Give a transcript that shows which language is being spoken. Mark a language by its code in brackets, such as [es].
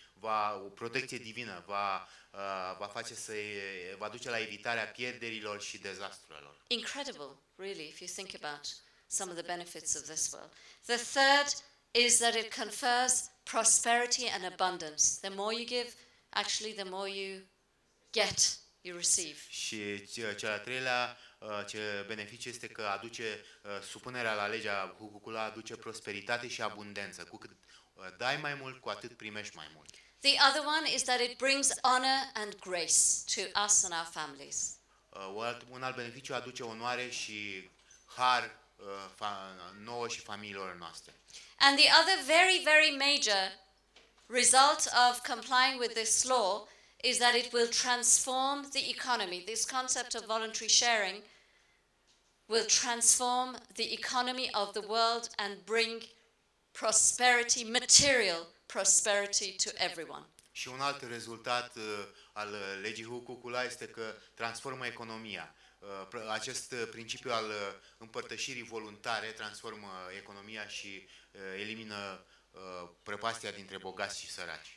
[ro] Va o protecție divină, va face să va duce la evitarea pierderilor și dezastrelor. [en] Incredible, really, if you think about some of the benefits of this world. The third is that it confers prosperity and abundance. The more you give, actually the more you get, you receive. [ro] Și cel al treilea ce beneficiu este că aduce supunerea la legea Hukukula aduce prosperitate și abundență. Cu cât dai mai mult, cu atât primești mai mult. [en] The other one is that it brings honor and grace to us and our families. [ro] Un alt beneficiu aduce onoare și har nouă și familiilor noastre. [en] And the other very, very major result of complying with this law is that it will transform the economy. This concept of voluntary sharing will transform the economy of the world and bring prosperity, material prosperity to everyone. [ro] Și un alt rezultat al legii Hukukula este că transformă economia. Acest principiu al împărtășirii voluntare transformă economia și elimină prăpastia dintre bogați și săraci.